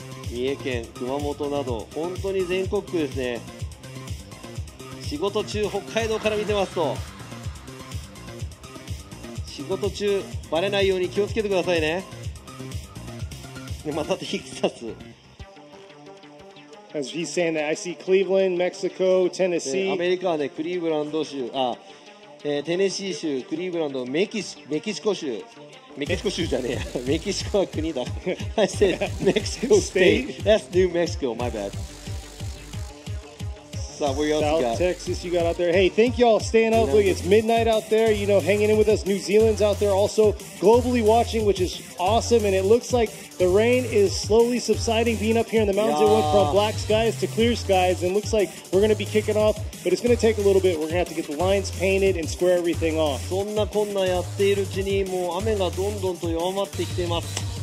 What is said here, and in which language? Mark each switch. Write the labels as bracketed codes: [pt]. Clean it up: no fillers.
[ja] 三重県、熊本など本当に全国区ですね。仕事中北海道から見てますと。仕事中バレないように気をつけてくださいね。でまたテキサス。 [en] As he's saying that, I see Cleveland, Mexico, Tennessee. [ja] アメリカはね、クリーブランド州、テネシー州、クリーブランド、メキシコ州。メキシコ州じゃねえ、メキシコは国だ。 [en] I said Mexico State. That's New Mexico, my bad. So, what else you got? South Texas, you got out there. Hey, thank you all staying up. Look, it's midnight out there, you know, hanging in with us. New Zealand's out there also globally watching, which is awesome. And it looks like the rain is slowly subsiding. Being up here in the mountains, it went from black skies to clear skies. And it looks like we're going to be kicking off, but it's going to take a little bit. We're going to have to get the lines painted and square everything off. [ja] そんなこんなやっているうちに、もう雨がどんどんと弱まってきています。